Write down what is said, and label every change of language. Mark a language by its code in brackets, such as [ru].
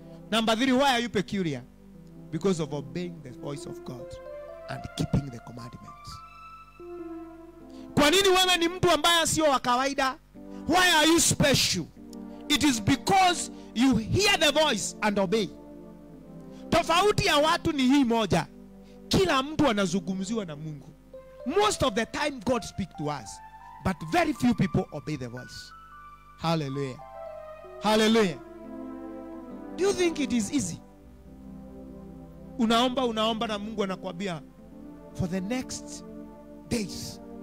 [en] Number 3, why are you peculiar? Because of obeying the voice of God and keeping the commandments. [sw] Kwa nini wewe ni mtu ambaye sio wa kawaida? [en] Why are you special? It is because you hear the voice and obey. [sw] Tofauti ya watu ni hii moja. Kila mtu anazungumziwa na Mungu. [en] Most of the time God speaks to us, but very few people obey the voice. Hallelujah. Hallelujah. Do you think it is easy? [sw] Unaomba, unaomba na Mungu anakuambia [en] for the next days.